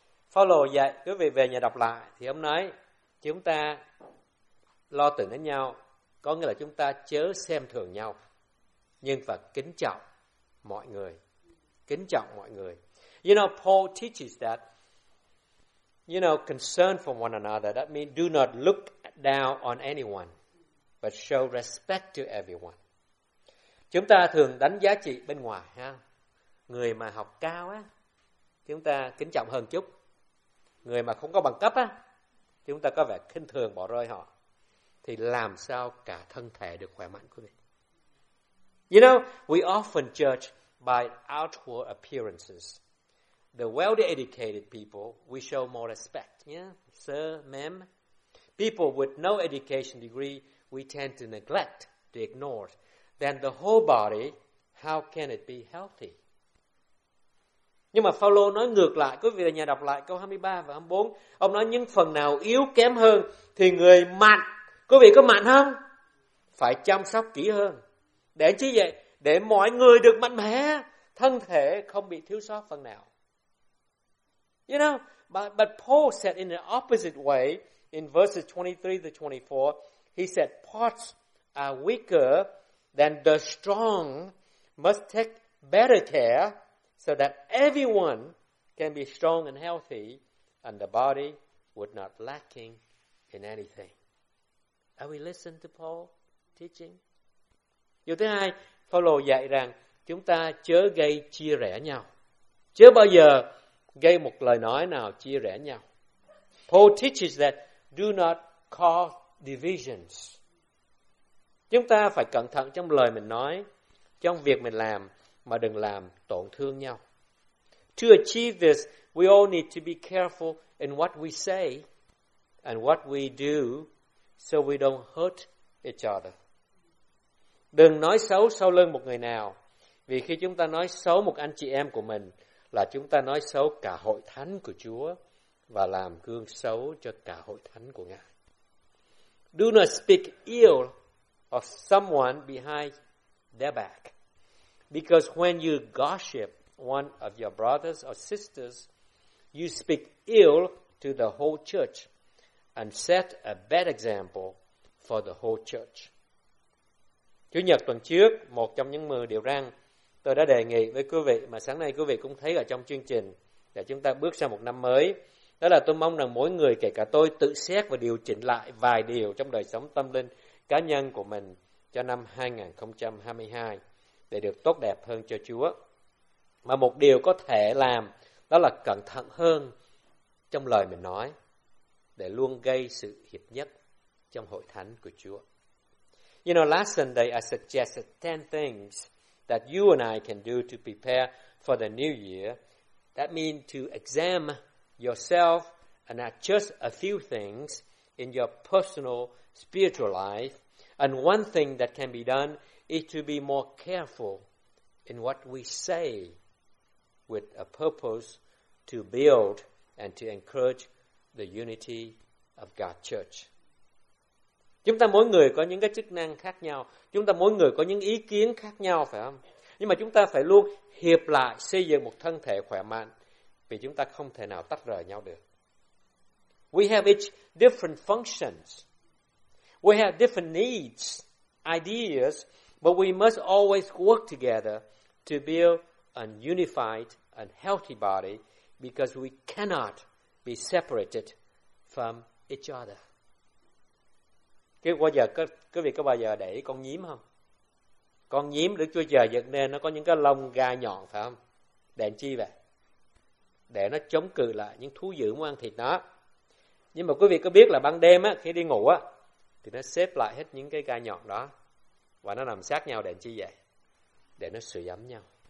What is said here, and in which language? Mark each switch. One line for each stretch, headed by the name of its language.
Vietnamese: Phaolô dạy, quý vị về nhà đọc lại, thì ông nói, chúng ta lo tưởng đến nhau, có nghĩa là chúng ta chớ xem thường nhau, nhưng phải kính trọng mọi người, kính trọng mọi người.
English: You know, Paul teaches that, you know, concern for one another, that means do not look down on anyone, but show respect to everyone.
Vietnamese: Chúng ta thường đánh giá trị bên ngoài, ha? Người mà học cao á, chúng ta kính trọng hơn chút. Người mà không có bằng cấp á, chúng ta có vẻ khinh thường bỏ rơi họ. Thì làm sao cả thân thể được khỏe mạnh của mình?
English: You know, we often judge by outward appearances. The well-educated people, we show more respect. Yeah, sơ, mém. People with no education degree, we tend to neglect, to ignore. Then the whole body, how can it be healthy?
Vietnamese: Nhưng mà Phaolô nói ngược lại, quý vị ở nhà đọc lại câu 23 và 24. Ông nói những phần nào yếu kém hơn thì người mạnh, quý vị có mạnh không? Phải chăm sóc kỹ hơn. Để chi vậy? Để mọi người được mạnh mẽ, thân thể không bị thiếu sót phần nào.
English: You know, but Paul said in the opposite way in verses 23 to 24, he said parts are weaker, then the strong must take better care so that everyone can be strong and healthy and the body would not lacking in anything. Are we listening to Paul teaching?
Vietnamese: Điều thứ hai, Phaolô dạy rằng chúng ta chớ gây chia rẽ nhau. Chớ bao giờ gây một lời nói nào chia rẽ nhau.
English: Paul teaches that do not cause divisions.
Vietnamese: Chúng ta phải cẩn thận trong lời mình nói, trong việc mình làm, mà đừng làm tổn thương nhau.
English: To achieve this, we all need to be careful in what we say and what we do so we don't hurt each other.
Vietnamese: Đừng nói xấu sau lưng một người nào, vì khi chúng ta nói xấu một anh chị em của mình là chúng ta nói xấu cả hội thánh của Chúa và làm gương xấu cho cả hội thánh của Ngài.
English: Do not speak ill of someone behind their back. Because when you gossip one of your brothers or sisters, you speak ill to the whole church and set a bad example for the whole church.
Vietnamese: Chủ nhật tuần trước, một trong những 10 điều răn tôi đã đề nghị với quý vị mà sáng nay quý vị cũng thấy ở trong chương trình để chúng ta bước sang một năm mới, đó là tôi mong rằng mỗi người, kể cả tôi, tự xét và điều chỉnh lại vài điều trong đời sống tâm linh cá nhân của mình cho năm 2022 để được tốt đẹp hơn cho Chúa. Mà một điều có thể làm đó là cẩn thận hơn trong lời mình nói để luôn gây sự hiệp nhất trong hội thánh của Chúa.
English: You know, last Sunday I suggested 10 things that you and I can do to prepare for the new year. That means to examine yourself and adjust a few things in your personal spiritual life. And one thing that can be done is to be more careful in what we say with a purpose to build and to encourage the unity of God's church.
Vietnamese: Chúng ta mỗi người có những cái chức năng khác nhau. Chúng ta mỗi người có những ý kiến khác nhau, phải không? Nhưng mà chúng ta phải luôn hiệp lại xây dựng một thân thể khỏe mạnh vì chúng ta không thể nào tách rời nhau được.
English: We have each different functions. We have different needs, ideas, but we must always work together to build a unified and healthy body because we cannot be separated from each other.
Vietnamese: Cái bao giờ cái việc có bao giờ để con nhím không? Con nhím Đức Chúa Trời dựng nên nó có những cái lông gai nhọn, phải không? Để làm chi vậy? Để nó chống cự lại những thú dữ muốn ăn thịt nó. Nhưng mà quý vị có biết là ban đêm á, khi đi ngủ á, thì nó xếp lại hết những cái gai nhọn đó và nó nằm sát nhau để làm chi vậy? Để nó sưởi ấm nhau.